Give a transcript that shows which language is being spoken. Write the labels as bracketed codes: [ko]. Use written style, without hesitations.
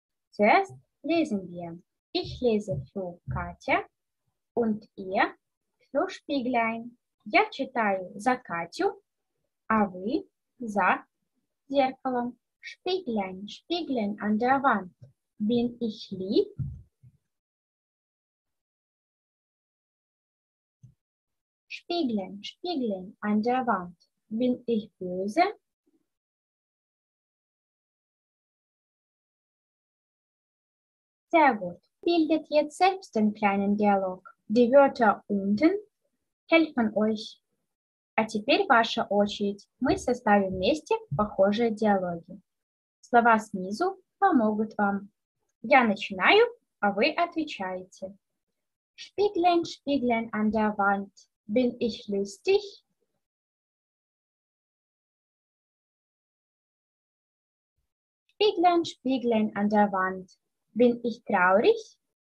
[de] Zuerst lesen wir. Ich lese für Katja und ihr für Spieglein. [ru] Я читаю за Катю, а вы за зеркалом. [de] Spieglein, Spieglein an der Wand. Bin ich lieb? Spieglein, Spieglein an der Wand. Bin ich böse? Sehr gut. Bildet jetzt selbst den kleinen Dialog. Die Wörter unten helfen euch. [ru] А теперь ваша очередь. Мы составим вместе похожие диалоги. Слова снизу помогут вам. Я начинаю, а вы отвечаете. [de] Spieglein, Spieglein an der Wand. Bin ich lustig? Spieglein, Spieglein an der Wand. Bin ich traurig?